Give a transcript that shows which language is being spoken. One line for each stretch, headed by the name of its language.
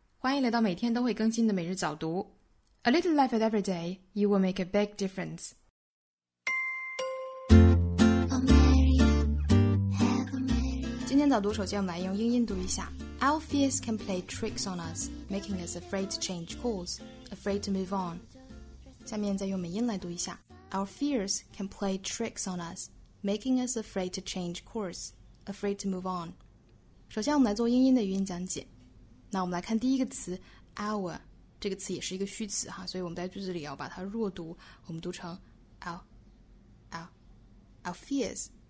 Chinese: 欢迎来到每天都会更新的每日早读。
English: A little life at every day, you will make a big difference. Oh, Mary.
Chinese: 今天早读首先我们来用英音读一下。
English: Our fears can play tricks on us, making us afraid to change course, afraid to move on.
Chinese: 下面再用美音来读一下。
English: Our fears can play tricks on us, making us afraid to change course, afraid to move on.
Chinese: 首先我们来做英音的语音讲解。那我们来看第一个词 our， 这个词也是一个虚词哈，所以我们在句子里要把它弱读，我们读成
English: our fears